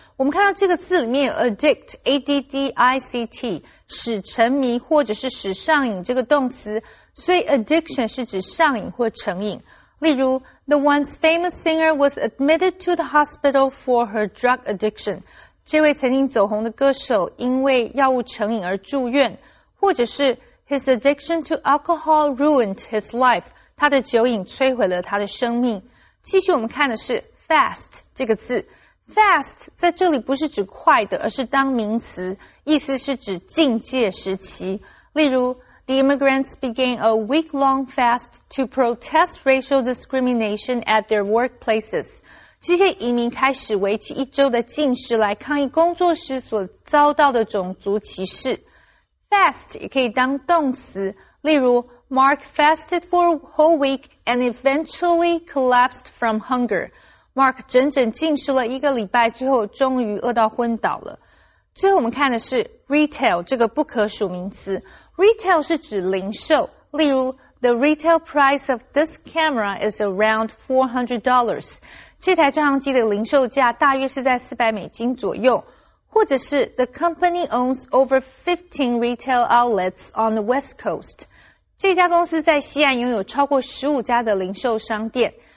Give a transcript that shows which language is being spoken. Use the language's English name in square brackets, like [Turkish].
[Chinese] 我们看到这个字里面有 addict, A-D-D-I-C-T, 使沉迷或者是使上瘾这个动词。所以 addiction 是指上瘾或成瘾。例如 [English] ,the once famous singer was admitted to the hospital for her drug addiction. [Chinese] 这位曾经走红的歌手因为药物成瘾而住院。或者是 [English] ,his addiction to alcohol ruined his life. [Chinese] 他的酒瘾摧毁了他的生命。继续我们看的是 fast 这个字。 fast 在这里不是指快的，而是当名词，意思是指境界时期。例如 [English] ,the immigrants began a week-long fast to protest racial discrimination at their workplaces. [Chinese] 这些移民开始为期一周的禁食来抗议工作时所遭到的种族歧视。 [English] fast [Chinese] 也可以当动词，例如 [English] Mark fasted for a whole week and eventually collapsed from hunger. [Chinese] Mark 整整禁食了一个礼拜之后终于饿到昏倒了。最后我们看的是 retail 这个不可数名词。 [English] Retail [Chinese] 是指零售，例如 [English] The retail price of this camera is around $400. [Chinese] 这台照相机的零售价大约是在400美金左右。或者是 [English] The company owns over 15 retail outlets on the West Coast. [Chinese] 这家公司在西岸拥有超过15家的零售商店。